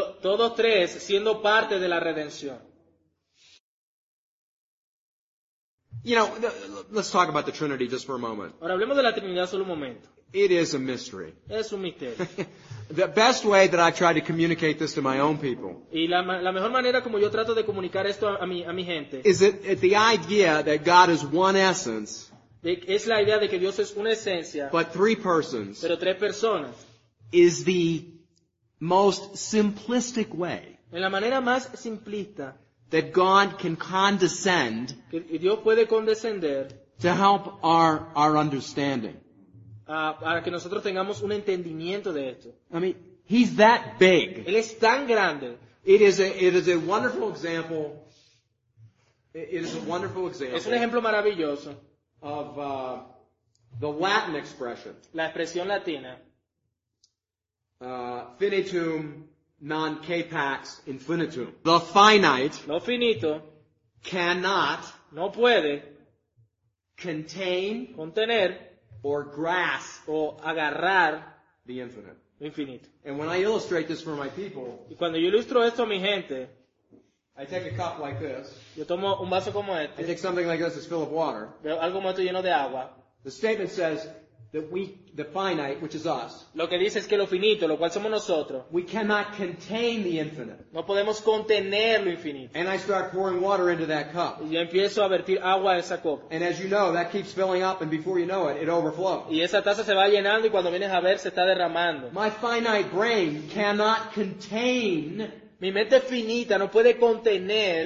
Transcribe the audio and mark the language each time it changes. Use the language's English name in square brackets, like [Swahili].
[Spanish] Todos tres siendo parte de la redención. [English] You know, let's talk about the Trinity just for a moment. [Spanish] Ahora hablemos de la Trinidad solo un momento. [English] It is a mystery. [Spanish] Es un misterio. [English] The best way that I've tried to communicate this to my own people. [Spanish] Y la mejor manera como yo trato de comunicar esto a mi gente. [English] Is it the idea that God is one essence? [Spanish] Es la idea de que Dios es una esencia. [English] But three persons. [Spanish] Pero tres personas. [English] Is the most simplistic way. [Spanish] En la manera más simplista. [English] That God can condescend. [Spanish] Que Dios puede condescender. [English] To help our understanding. [Spanish] Para que nosotros tengamos un entendimiento de esto. [English] I mean, he's that big. [Spanish] Él es tan grande. [English] It is a wonderful example. [Spanish] Es un ejemplo maravilloso. [English] Of the Latin expression. [Spanish] La expresión latina. [Latin] Finitum non capax infinitum. [English] The finite. [Spanish] Lo finito. [English] Cannot. [Spanish] No puede. [English] Contain. [Spanish] Contener. [English] Or grasp. [Spanish] O agarrar. [English] The infinite. [Spanish] Infinito. [English] And when I illustrate this for my people. [Spanish] Y cuando yo ilustro esto a mi gente. [English] I take a cup like this. [Spanish] Yo tomo un vaso como este. [English] I take something like this is filled of water. [Spanish] Veo algo como esto lleno de agua. [English] The statement says. That we, the finite, which is us. [Spanish] Lo que dice es que lo finito, lo cual somos nosotros. [English] We cannot contain the infinite. [Spanish] No podemos contener lo infinito. [English] And I start pouring water into that cup. [Spanish] Y empiezo a vertir agua en esa copa. [English] And as you know, that keeps filling up, and before you know it, it overflows. [Spanish] Y esa taza se va llenando, y cuando vienes a ver, se está derramando. [English] My finite brain cannot contain. [Spanish] Mi mente finita no puede contener.